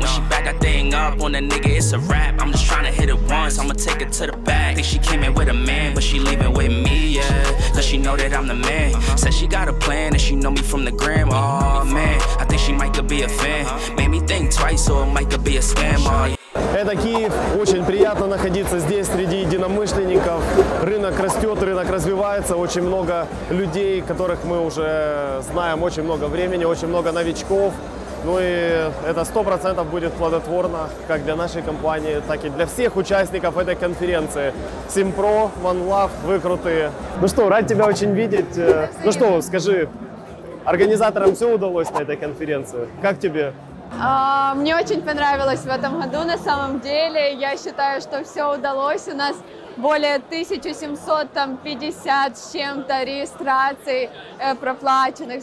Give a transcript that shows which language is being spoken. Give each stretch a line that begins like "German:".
English: When she back that thing up on the nigga, it's a wrap. I'm just tryna hit it once, I'ma take her to the back. Think she came in with a man, but she leaving with me, yeah. Cause she know that I'm the man. Said she got a plan and she know me from the gram. Oh man, I think she might could be a fan. Made me think twice, or it might could be a scam. Oh, yeah.
Russian: Это Киев. Очень приятно находиться здесь среди единомышленников. Рынок растет, рынок развивается. Очень много людей, которых мы уже знаем очень много времени, очень много новичков. Ну и это 100% будет плодотворно как для нашей компании, так и для всех участников этой конференции. Simpro, One Love, вы крутые. Ну что, рад тебя очень видеть. Ну что, скажи, организаторам все удалось на этой конференции? Как тебе? Мне очень понравилось в этом году, на самом деле. Я считаю, что все удалось. У нас более 1750 с чем-то регистраций проплаченных.